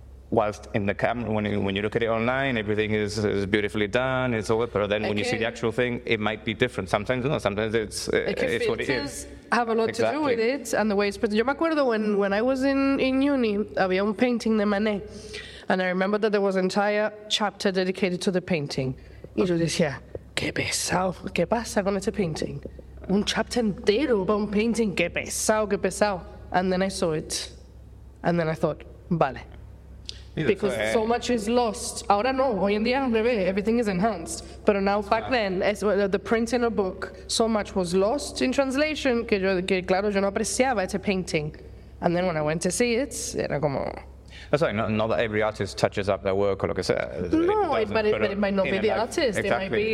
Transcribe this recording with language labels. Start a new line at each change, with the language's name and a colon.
English: Whilst in the camera, when you look at it online, everything is beautifully done, it's all, but then when you see the actual thing, it might be different. Sometimes, no, sometimes it's what it is. Have a lot exactly. to do with it, and the way it's presented.
Spanish: Yo me acuerdo
English: when I was in uni,
Spanish: había un painting de Manet,
English: and I remember that there was an entire chapter dedicated to the painting.
Spanish: Y yo decía, qué pesado, qué pasa con este painting? Un chapter entero about painting, qué pesado.
English: And then I saw it, and then I thought, vale. Because so much is lost.
Spanish: Ahora no, hoy en día,
English: everything is enhanced. But now, back then, the print in a book, so much was lost in translation,
Spanish: que claro, yo no apreciaba este painting.
English: And then when I went to see it,
Spanish: era como...
English: That's right, not that every artist touches up their work or like I said. It might not be the artist. Exactly.